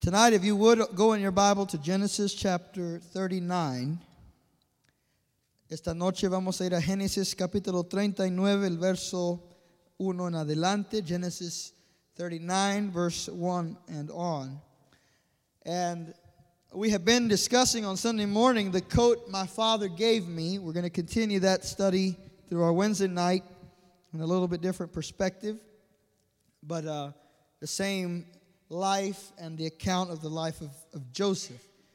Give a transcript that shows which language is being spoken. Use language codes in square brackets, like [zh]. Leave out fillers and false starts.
[en] Tonight, if you would, go in your Bible to Genesis chapter 39. [es] Esta noche vamos a ir a Génesis capítulo 39, el verso 1 en adelante. [en] Genesis 39, verse 1 and on. And we have been discussing on Sunday morning the coat my father gave me. We're going to continue that study through our Wednesday night in a little bit different perspective. But the same life and the account of the life of Joseph.